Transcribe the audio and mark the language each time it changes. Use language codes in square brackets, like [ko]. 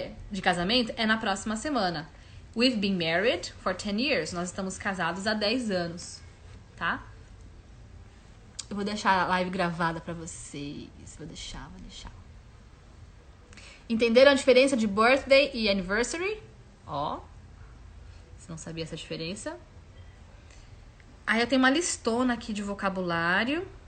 [pt] de casamento é na próxima semana. [en] We've been married for 10 years. [pt] Nós estamos casados há 10 anos, tá? Eu vou deixar a live gravada pra vocês. Vou deixar, vou deixar. Entenderam a diferença de birthday e anniversary? Ó. Você não sabia essa diferença? Aí eu tenho uma listona aqui de vocabulário.